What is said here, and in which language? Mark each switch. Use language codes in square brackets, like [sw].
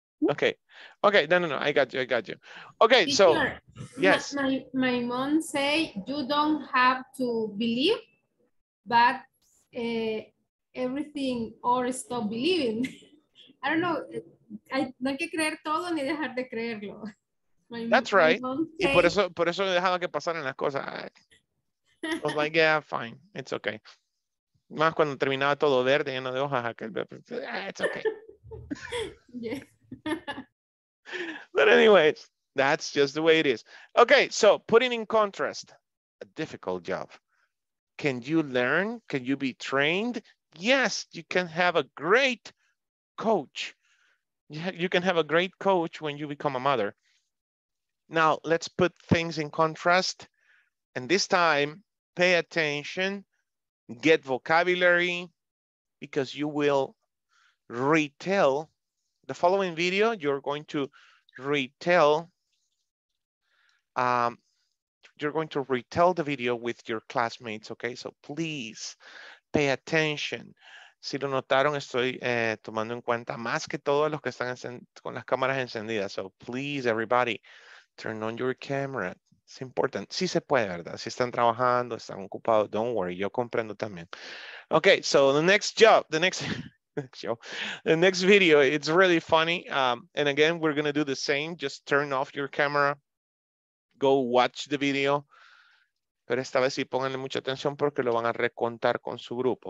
[en] Okay. No. I got you. Okay. Teacher, so, yes. My mom say you don't have to believe, but everything or stop believing. I don't know. [es] No hay que creer todo ni dejar de creerlo. [en] That's right. [es] Y por eso he dejado que pasaran las cosas. [en] I was like, yeah, fine. It's okay. [es] Más cuando terminaba todo verde, lleno de hojas. [en] It's okay. But anyways, that's just the way it is. Okay, so putting in contrast, a difficult job. Can you learn? Can you be trained? Yes, you can have a great coach. You can have a great coach when you become a mother. Now, let's put things in contrast. And this time, pay attention, get vocabulary, because you will retell. The following video, you're going to retell. You're going to retell the video with your classmates, okay? So please pay attention. [es] Si lo notaron, estoy tomando en cuenta más que todos los que están con las cámaras encendidas. [en] So please, everybody, turn on your camera. [es] Es importante. Sí se puede, ¿verdad? Si están trabajando, están ocupados, [en] don't worry. [es] Yo comprendo también. [en] Okay, so the next job, the next show, the next video, it's really funny. And again, we're going to do the same. Just turn off your camera. Go watch the video. [es] Pero esta vez sí pónganle mucha atención porque lo van a recontar con su grupo.